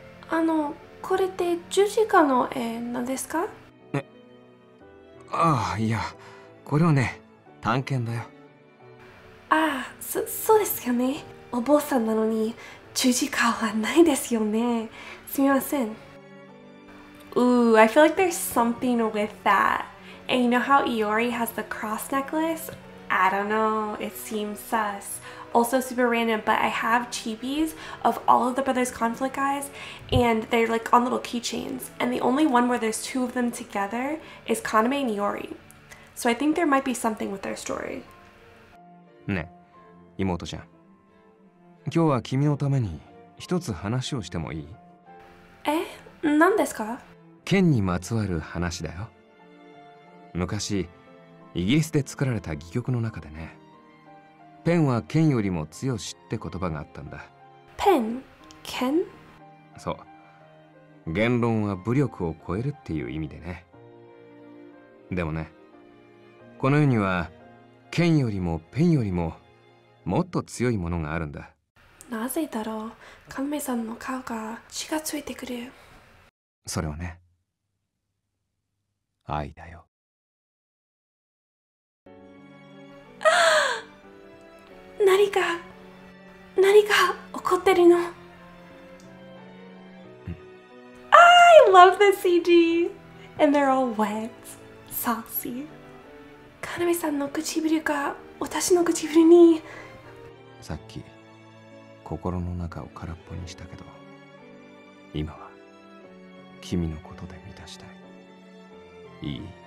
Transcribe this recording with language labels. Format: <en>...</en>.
<ja>あの、これって十字架の絵なんですか。え、ああ、いや、これはね、探検だよ。ああ、そうですよね。お坊さんなのに十字架はないですよね。すみません。</ja> <en>Ooh, I feel like there's something with that. And you know how Iori has the cross necklace? I don't know, it seems sus. Also super random, but I have chibis of all of the Brothers Conflict guys, and they're like on little keychains. And the only one where there's two of them together is Kaname and Iori. So I think there might be something with their story.</en> <ja>ね、妹ちゃん。今日は君のために一つ話をしてもいい？え、何ですか？剣にまつわる話だよ。昔イギリスで作られた戯曲の中でね、ペンは剣よりも強しって言葉があったんだ。ペン、剣。そう、言論は武力を超えるっていう意味でね。でもね、この世には剣よりもペンよりももっと強いものがあるんだ。なぜだろう、カメさんの顔が血がついてくる。それはね、愛だよ。何か起こってるの。</ja> <en>I love the CD and they're all wet, saucy.</en> <ja>カナメさんの唇が私の唇に。さっき心の中を空っぽにしたけど、今は君のことで満たしたい。いい。</ja>